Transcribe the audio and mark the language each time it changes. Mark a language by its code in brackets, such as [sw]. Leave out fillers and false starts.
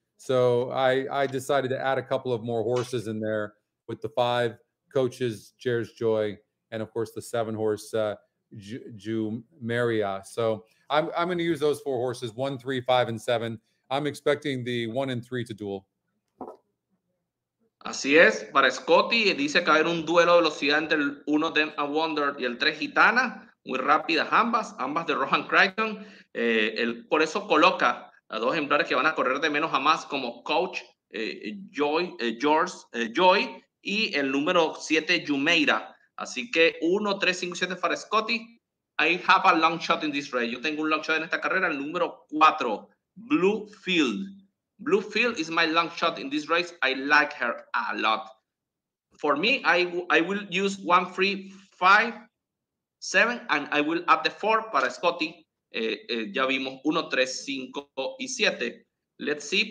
[en] So I decided to add a couple of more horses in there with the 5, Coaches, Jerz Joy, and of course the 7 horse, Jumeria. So I'm going to use those 4 horses, 1, 3, 5, and 7. I'm expecting the 1 and 3 to duel. [es] Así es. Para Scotty, dice que va a haber un duelo de velocidad entre el 1, Dem a Wonder, y el 3, Gitana. Muy rápidas ambas de Rohan Crichton. Por eso coloca a 2 ejemplares que van a correr de menos a más, como Coach Joy y el número 7, Jumeira. Así que 1, 3, 5, 7 para Scotty. [en] I have a long shot in this race. [es] Yo tengo un long shot en esta carrera, el número 4, Bluefield. [en] Bluefield is my long shot in this race. I like her a lot. For me, I will use 1, 3, 5, 7, and I will add the 4 [es] para Scotty. Ya vimos 1, 3, 5 y 7. [en] Let's see.